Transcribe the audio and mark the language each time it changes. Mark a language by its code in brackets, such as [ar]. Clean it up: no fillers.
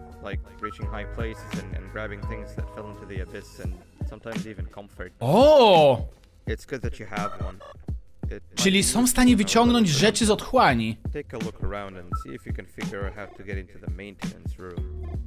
[en] Like reaching high places and grabbing things that fell into the abyss and sometimes even comfort. Oh! It's good that you have one. [pl] Czyli są w stanie wyciągnąć rzeczy z otchłani. [en] Take a look around and see if you can figure out how to get into the maintenance room.